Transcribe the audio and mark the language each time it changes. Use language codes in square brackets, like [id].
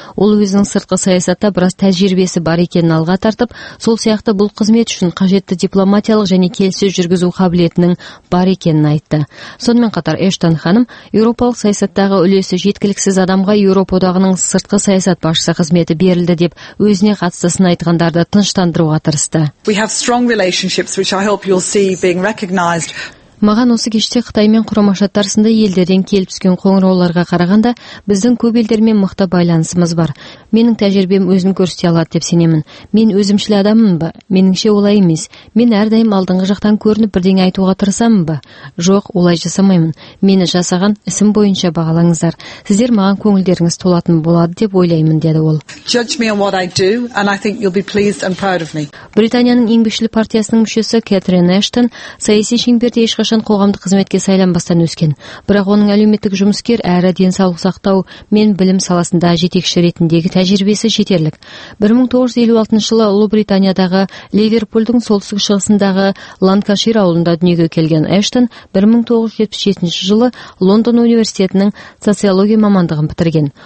[kk] Ол өзінің сыртқы саясатта біраз тәжірибесі бар екенін алға тартып, сол сияқты бұл қызмет үшін қажетті дипломатиялық және келіссөз жүргізу қабілетінің бар екенін айтты. Сонымен қатар Эштон ханым еуропалық саясаттағы үлесі жеткіліксіз адамға Еуропа одағының сыртқы саясат басшысы қызметі берілді деп өзіне қатыстысын айтқандарды тыныштандыруға тырысты. [en] We have strong relationships which I hope you'll see being recognized. [kk] Маған осы кеште Қытай мен Құрама Штаттарында елдерден келіп түскен қоңырауларға қарағанда біздің көп елдермен мықты байланысымыз бар. Менің тәжірибем өзін көрсете алады деп сенемін. Мен өзімшіл адаммын ба? Меніңше олай емес. Мен әрдайым алдыңғы жақтан көрініп бірдеңе айтуға тырысамын ба? Жоқ, олай жасамаймын. Мені жасаған ісім бойынша бағалаңыздар. Сіздер маған көңілдеріңіз толатын болады деп ойлаймын, деді ол. [en] Judge me on what I do and I think you'll be pleased and proud of me. [kk] Британияның еңбекшіл партиясының мүшесі Кэтрин Эштон саяси шеңберде ешқашан қоғамдық қызметке сайланбастан өскен. Бірақ оның әлеуметтік жұмыскер әрі денсаулық сақтау мен білім саласында жетекші ретіндегі тәжірибесі жетерлік. 1956 жылы Ұлыбританиядағы Ливерпульдің солтүстік шығысындағы Ланкашир ауылында дүниеге келген Эштон 1977 жылы Лондон университетінің социология мамандығын бітірген.